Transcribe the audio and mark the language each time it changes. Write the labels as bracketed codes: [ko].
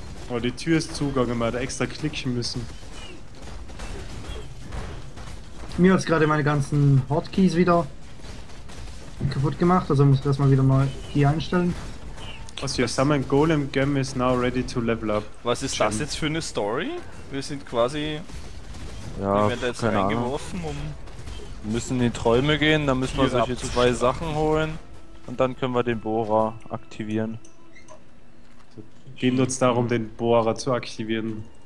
[de] Oh, die Tür ist zugegangen, man hat extra klicken müssen. Mir hat es gerade meine ganzen Hotkeys wieder kaputt gemacht, also muss ich das mal wieder mal hier einstellen. [en] Also, your summon Golem Gem is now ready to level up. [de] Was ist das jetzt für eine Story? Wir sind quasi. Ja, wir werden da jetzt reingeworfen, um. Wir müssen in die Träume gehen, dann müssen wir solche zwei Sachen holen und dann können wir den Bohrer aktivieren. Geht uns darum, den Bohrer zu aktivieren.